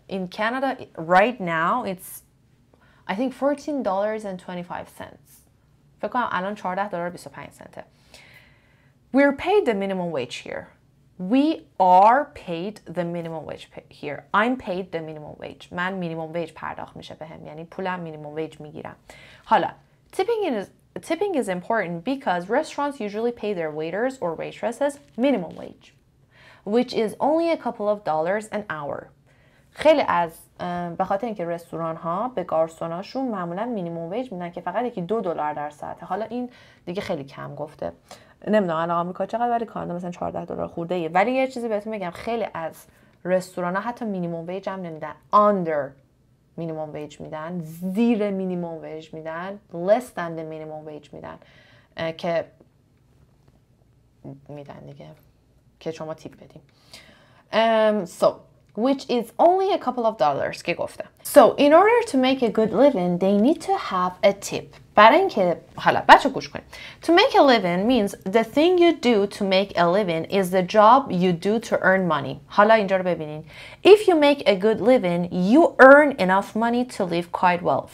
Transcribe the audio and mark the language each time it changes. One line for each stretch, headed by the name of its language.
English: In Canada, right now, it's, I think, $14.25.
Persian: فکر کنم الان $14.25.
English: We're paid the minimum wage here. We are paid the minimum wage here. I'm paid the minimum wage.
Persian: من minimum wage پرداخت میشه به هم. یعنی پولم minimum wage میگیرم. حالا,
English: tipping is important because restaurants usually pay their waiters or waitresses minimum wage, which is only a couple of dollars an hour.
Persian: خیلی از بخاطر اینکه رستوران ها به گارسوناشون معمولا مینیمم ویج میدن که فقط یکی $2 در ساعته. حالا این دیگه خیلی کم گفته. نمیدونم الان آمریکا چقدر ولی کانادا مثلا $14 خورده ایه. ولی یه چیزی بهتون بگم خیلی از رستوران ها حتی مینیمم ویج هم نمیدن.
English: Under minimum wage میدن.
Persian: زیر minimum wage میدن.
English: Less than the minimum wage
Persian: میدن. که میدن دیگه. که شما تیپ بدیم.
English: So, which is only a couple of dollars
Persian: که گفتم.
English: So, in order to make a good living, they need to have a tip.
Persian: و برای اینکه حالا بچه گوش کنید.
English: To make a living means the thing you do to make a living is the job you do to earn money.
Persian: حالا اینجا رو ببینید.
English: If you make a good living, you earn enough money to live quite well.